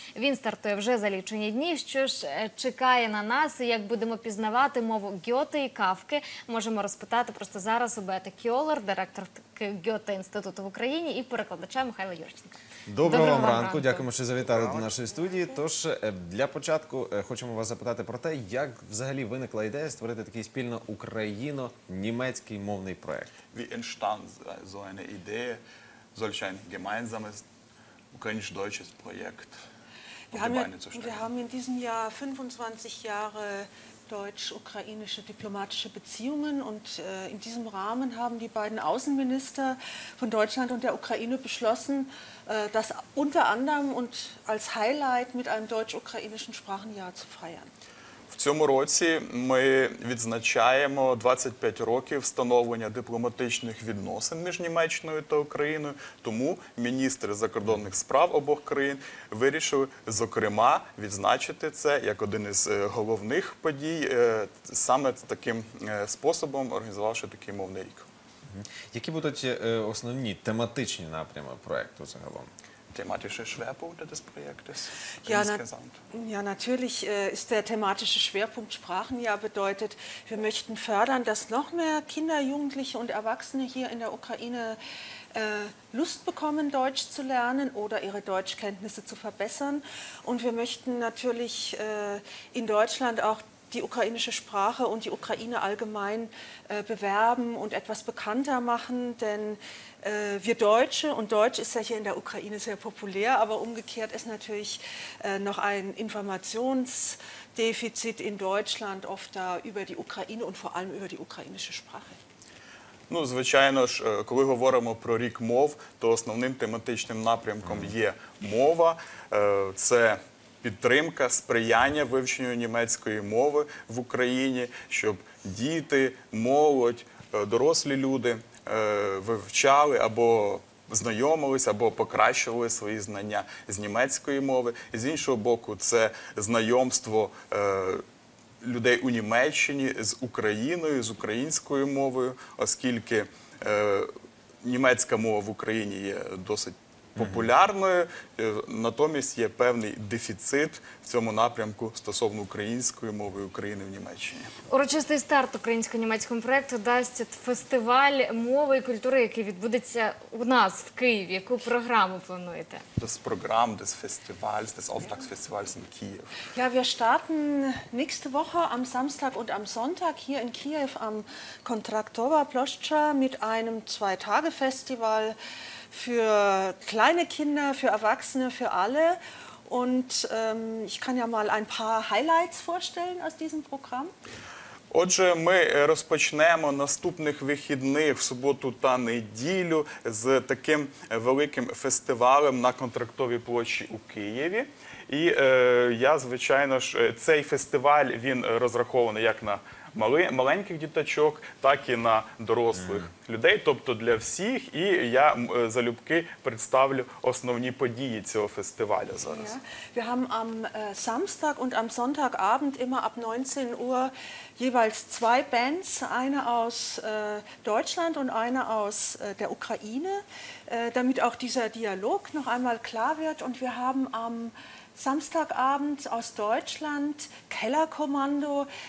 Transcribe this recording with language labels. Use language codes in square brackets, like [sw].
[uk] Він стартує вже за лічені дні. Що ж чекає на нас, як будемо пізнавати мову Гьоте і Кафки, можемо розпитати просто зараз у Бети Кьолер, директорки Гьоте-інституту в Україні і перекладача Михайла Юрченка. Доброго вам ранку, дякуємо, що завітали до нашої студії. Тож, для початку хочемо вас запитати про те, як взагалі виникла ідея створити такий спільно україно-німецький мовний проект. [de] Wie entstand so eine Idee, solch ein gemeinsames ukrainisch-deutsches Projekt auf die Beine zu stellen? Wir haben in diesem Jahr 25 Jahre deutsch-ukrainische diplomatische Beziehungen und in diesem Rahmen haben die beiden Außenminister von Deutschland und der Ukraine beschlossen, das unter anderem und als Highlight mit einem deutsch-ukrainischen Sprachenjahr zu feiern. [uk] В цьому році ми відзначаємо 25 років встановлення дипломатичних відносин між Німеччиною та Україною, тому міністри закордонних справ обох країн вирішили, зокрема, відзначити це як один із головних подій, саме таким способом організувавши такий мовний рік. Які будуть основні тематичні напрями проєкту загалом? [de] Thematische Schwerpunkte des Projektes ja, insgesamt? Ja, natürlich ist der thematische Schwerpunkt Sprachenjahr bedeutet, wir möchten fördern, dass noch mehr Kinder, Jugendliche und Erwachsene hier in der Ukraine Lust bekommen, Deutsch zu lernen oder ihre Deutschkenntnisse zu verbessern. Und wir möchten natürlich in Deutschland auch die ukrainische Sprache und die Ukraine allgemein bewerben und etwas bekannter machen, denn wir Deutsche, und Deutsch ist ja hier in der Ukraine sehr populär, aber umgekehrt ist natürlich noch ein Informationsdefizit in Deutschland oft da über die Ukraine und vor allem über die ukrainische Sprache. [uk] Ну, звичайно ж, коли говоримо про рік мов, то основним тематичним напрямком є мова. Це підтримка, сприяння вивченню німецької мови в Україні, щоб діти, молодь, дорослі люди вивчали або знайомились, або покращували свої знання з німецької мови. З іншого боку, це знайомство людей у Німеччині з Україною, з українською мовою, оскільки німецька мова в Україні є досить популярною, натомість є певний дефіцит в цьому напрямку стосовно української мови України в Німеччині. Урочистий старт українсько-німецькому проєкту дасть фестиваль мови і культури, який відбудеться у нас в Києві. Яку програму плануєте? [de] Das Programm des Festivals, des Auftaktfestivals in Kiew. Ja, wir starten nächste Woche am Samstag und am Sonntag hier in Kiew am Kontraktowa Ploschtscha mit einem 2-Tage-Festival für kleine Kinder, für Erwachsene, für alle. Und ich kann ja mal ein paar Highlights vorstellen aus diesem Programm. [uk] Отже, ми розпочнемо наступних вихідних, в суботу та неділю, з таким великим фестивалем на Контрактовій площі у Києві. І я, звичайно ж, цей фестиваль, він розрахований як на маленьких діточок, так і на дорослих людей, тобто для всіх. І я залюбки представлю основні події цього фестивалю зараз. [de] Wir haben am Samstag und am Sonntagabend immer ab 19 Uhr jeweils 2 Bands, eine aus Deutschland und eine aus der Ukraine, damit auch dieser Dialog noch einmal klar wird. Und wir haben am Samstagabend aus Deutschland Kellerkommando.